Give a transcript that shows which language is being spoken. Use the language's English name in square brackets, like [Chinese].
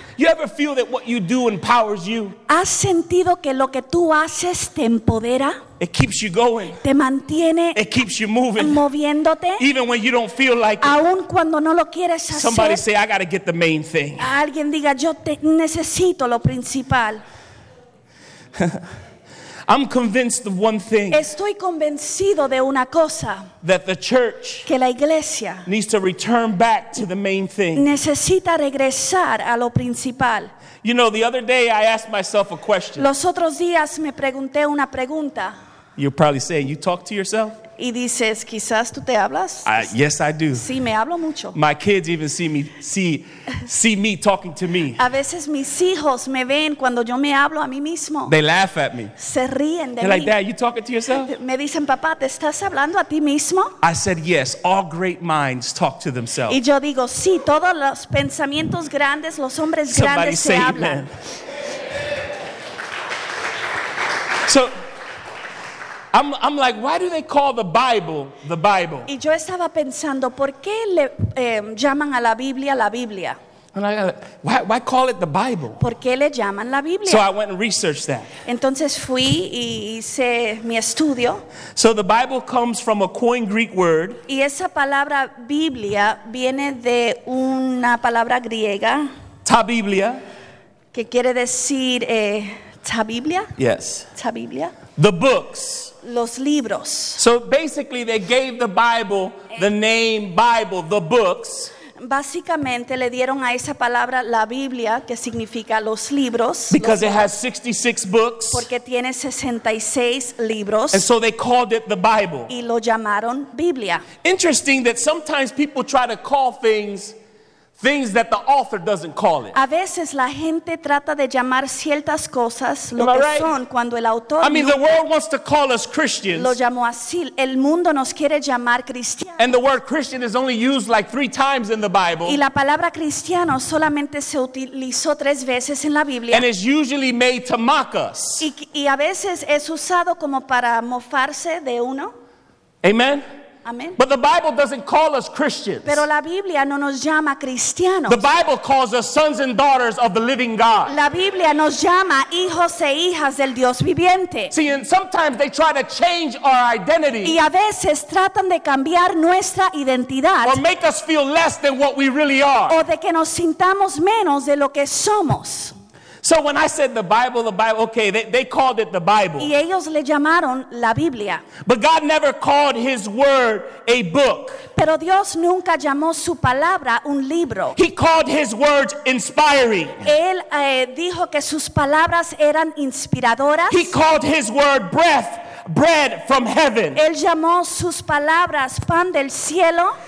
[English] You ever feel that what you do empowers you? [Spanish] ¿Has sentido que lo que tú haces te empodera? [English] It keeps you going. [Spanish] Te mantiene. [English] It keeps you moving. [Spanish] Moviéndote. [English] Even when you don't feel like [Spanish] aun it. Aun cuando no lo quieres hacer. [English] Somebody say, I got to get the main thing. [Spanish] Alguien diga, yo te necesito lo principal. [English] I'm convinced of one thing. [Spanish] Estoy convencido de una cosa. [English] That the church [Spanish] que la iglesia [English] needs to return back to the main thing. [Spanish] Necesita regresar a lo principal. [English] You know, the other day I asked myself a question. [Spanish] Los otros días me pregunté una pregunta. [English] You're probably saying, you talk to yourself? [Spanish] Y dices, quizás tú te hablas. [English] Yes, I do. [Spanish] Sí, me hablo mucho. [English] My kids even see me talking to me. [Spanish] A veces mis hijos me ven cuando yo me hablo a mí mismo. [English] They laugh at me. [Spanish] Se ríen de [English] They're [Spanish] mí. [English] Like, Dad, you talking to yourself? [Spanish] Me dicen, papá, ¿te estás hablando a ti mismo? [English] I said, yes, all great minds talk to themselves. [Spanish] Y yo digo, sí, todos los pensamientos grandes, los hombres [English] Somebody [Spanish] grandes se hablan. [English] Amen. So, I'm like, why do they call the Bible the Bible? [Spanish] Y yo estaba pensando, ¿por qué le llaman a la Biblia la Biblia? [English] Why call it the Bible? [Spanish] ¿Por qué le llaman la Biblia? [English] So I went and researched that. [Spanish] Entonces fui y hice mi estudio. [English] So the Bible comes from a coined Greek word. [Spanish] Y esa palabra Biblia viene de una palabra griega. [Greek] Ta Biblia. [Spanish] Que quiere decir ta Biblia. [English] Yes. [Greek] Ta Biblia. [English] The books. [Spanish] Los libros. [English] So basically they gave the Bible the name Bible, the books. [Spanish] Básicamente le dieron a esa palabra la Biblia, que significa los libros. [English] Because [Spanish] los [English] it has 66 books. [Spanish] Porque tiene 66 libros. [English] And so they called it the Bible. [Spanish] Y lo llamaron Biblia. [English] Interesting that sometimes people try to call things things that the author doesn't call it. [Spanish] A veces la gente trata de llamar ciertas cosas lo que [English] right? [Spanish] son cuando el autor. [English] I mean, the world wants to call us Christians. [Spanish] Lo llamó así. El mundo nos quiere llamar cristianos. [English] And the word Christian is only used like 3 times in the Bible. [Spanish] Y la palabra cristiano solamente se utilizó 3 veces en la Biblia. [English] And it's usually made to mock us. [Spanish] Y a veces es usado como para mofarse de uno. [English] Amen. Amen. But the Bible doesn't call us Christians. [Spanish] Pero la Biblia no nos llama cristianos. [English] The Bible calls us sons and daughters of the living God. [Spanish] La Biblia nos llama hijos e hijas del Dios viviente. [English] See, and sometimes they try to change our identity. [Spanish] Y a veces tratan de cambiar nuestra identidad. [English] Or make us feel less than what we really are. [Spanish] O de que nos sintamos menos de lo que somos. [English] So when I said the Bible, okay, they called it the Bible. [Spanish] Y ellos le llamaron la Biblia. [English] But God never called his word a book. [Spanish] Pero Dios nunca llamó su palabra un libro. [English] He called his words inspiring. [Spanish] Él dijo que sus palabras eran inspiradoras. [English] He called his word breath. Bread from heaven. [Spanish] Él llamó sus palabras pan del cielo.